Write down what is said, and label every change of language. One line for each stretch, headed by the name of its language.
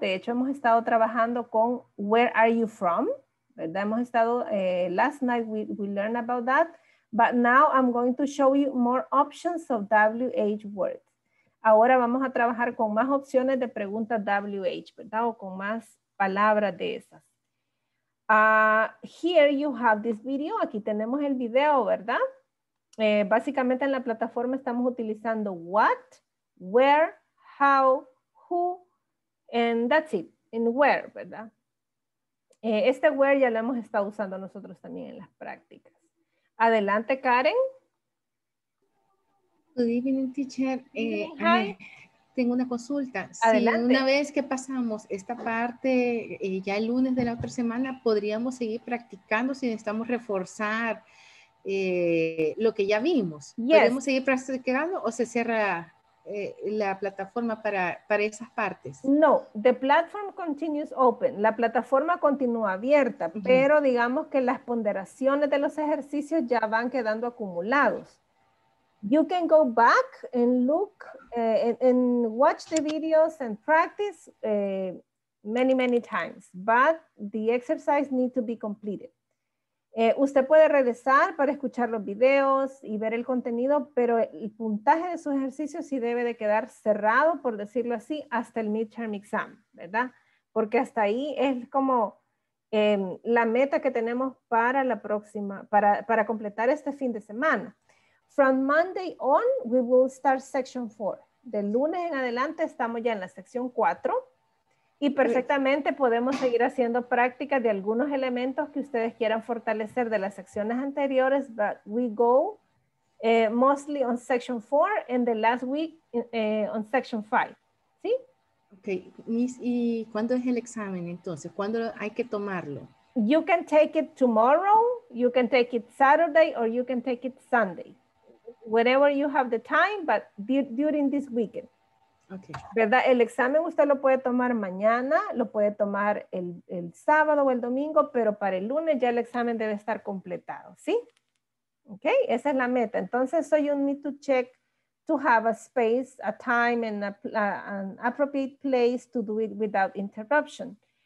Spanish: De hecho, hemos estado trabajando con
English: where are you from,
Spanish: ¿verdad? Hemos estado,
English: last night we learned about that. But now I'm going to show you more options of WH words.
Spanish: Ahora vamos a trabajar con más opciones de preguntas WH, ¿verdad? O con más palabras de esas.
English: Here you have this video.
Spanish: Aquí tenemos el video, ¿verdad? Básicamente en la plataforma estamos utilizando what, where, how, who, and that's it, in where, ¿verdad? Este where ya lo hemos estado usando nosotros también en las prácticas. Adelante, Karen.
English: Good evening, teacher. Hi.
Spanish: Tengo una consulta. Adelante. Si una vez que pasamos esta parte, ya el lunes de la otra semana, ¿podríamos seguir practicando si necesitamos reforzar lo que ya vimos?
English: Yes.
Spanish: ¿Podríamos seguir practicando o se cierra la plataforma para esas partes?
English: No, the platform continues open.
Spanish: La plataforma continúa abierta, uh-huh. pero digamos que las ponderaciones de los ejercicios ya van quedando acumulados.
English: You can go back and look and watch the videos and practice many, many times, but the exercise need to be completed.
Spanish: Usted puede regresar para escuchar los videos y ver el contenido, pero el puntaje de su ejercicio sí debe de quedar cerrado, por decirlo así, hasta el midterm exam, ¿verdad? Porque hasta ahí es como la meta que tenemos para la próxima, para completar este fin de semana.
English: From Monday on, we will start section 4.
Spanish: Del lunes en adelante estamos ya en la sección 4 y perfectamente podemos seguir haciendo prácticas de algunos elementos que ustedes quieran fortalecer de las secciones anteriores,
English: but we go mostly on section 4 and the last week on section 5.
Spanish: ¿Sí? Okay. Miss, ¿y cuándo es el examen entonces? ¿Cuándo hay que tomarlo?
English: You can take it tomorrow, you can take it Saturday, or you can take it Sunday. Whenever you have the time, but during this weekend. Okay.
Spanish: ¿Verdad? El examen usted lo puede tomar mañana, lo puede tomar el sábado o el domingo, pero para el lunes ya el examen debe estar completado, ¿sí?
English: Okay,
Spanish: esa es la meta. Entonces,
English: so you need to check to have a space, a time, and an appropriate place to do it without interruption.